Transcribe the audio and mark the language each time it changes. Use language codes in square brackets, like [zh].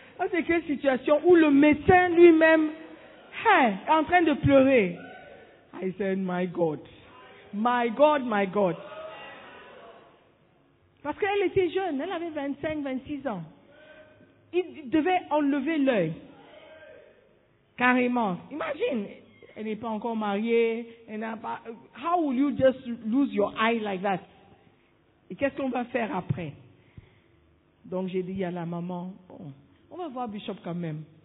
[fr] C'est quelle situation où le médecin lui-même est en train de pleurer. [en] I said, my God. My God, my God. [fr] Parce qu'elle était jeune, elle avait 25, 26 ans. Il devait enlever l'œil. Carrément. Imagine, elle n'est pas encore mariée. Elle n'a pas. [en] How will you just lose your eye like that? [fr] Et qu'est-ce qu'on va faire après? Donc j'ai dit à la maman, bon, on va voir Bishop quand même.